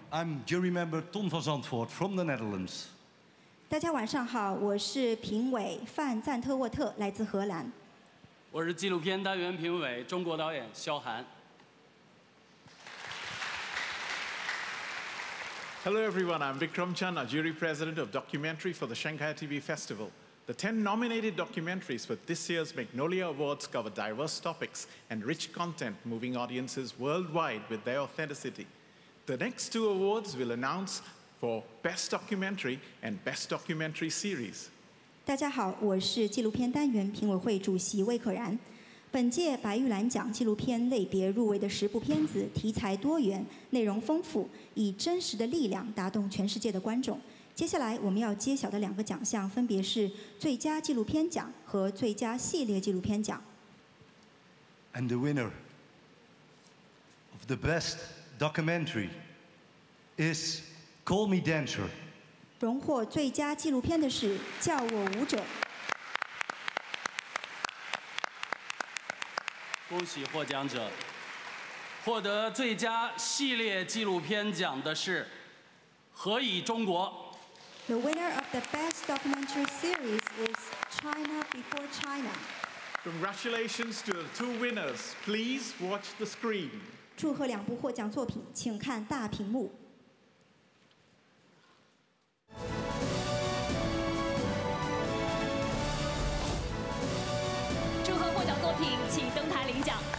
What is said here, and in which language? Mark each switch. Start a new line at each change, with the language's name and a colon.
English: I'm jury member Ton van Zandvoort from the Netherlands.
Chinese: 大家晚上好，我是评委范赞特沃特，来自荷兰。我是纪录片单元评委，中国导演萧寒。
English: Hello everyone, I'm Vikram Channa, Jury President of Documentary for the Shanghai TV Festival. The 10 nominated documentaries for this year's Magnolia Awards cover diverse topics and rich content, moving audiences worldwide with their authenticity. The next two awards will announce for Best Documentary and Best Documentary Series.
Chinese: 大家好，我是纪录片单元评委会主席魏可然。本届白玉兰奖纪录片类别入围的十部片子题材多元，内容丰富，以真实的力量打动全世界的观众。接下来我们要揭晓的两个奖项分别是最佳纪录片奖和最佳系列纪录片奖。
English: And the winner of the best documentary is Call Me Dancer.
Chinese: 荣获最佳纪录片的是叫我舞者。恭喜获奖者。获得最佳系列纪录片奖的是何以中国。
English: The winner of the best documentary series is China Before China. Congratulations to the two winners. Please watch the screen.
Chinese: 祝贺两部获奖作品，请看大屏幕。祝贺获奖作品，请登台领奖。